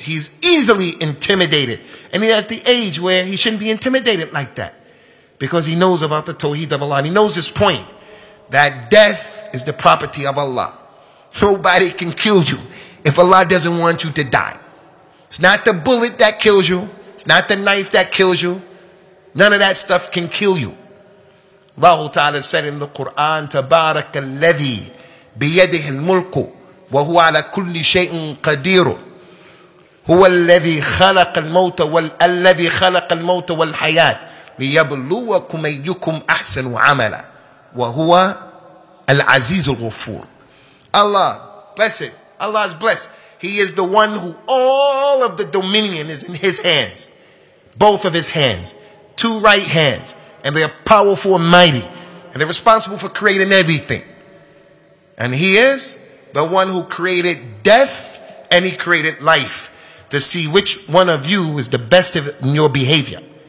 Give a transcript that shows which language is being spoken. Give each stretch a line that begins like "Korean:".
English: He's easily intimidated. And he's at the age where he shouldn't be intimidated like that, because he knows about the Tawheed of Allah. And he knows this point, that death is the property of Allah. Nobody can kill you if Allah doesn't want you to die. It's not the bullet that kills you. It's not the knife that kills you. None of that stuff can kill you. Allah Ta'ala said in the Quran,
Arabic: تبارك الذي بيده الملك وهو على كل شيء قدير هو الذي خلق الموت والذي خلق الموت والحياة ليبلوكم أيكم أحسن عملا وهو العزيز الغفور.
English: Allah, blessed. Allah is blessed. He is the one who all of the dominion is in his hands. Both of his hands. Two right hands. And they are powerful and mighty. And they're responsible for creating everything. And he is the one who created death and he created life, to see which one of you is the best in your behavior.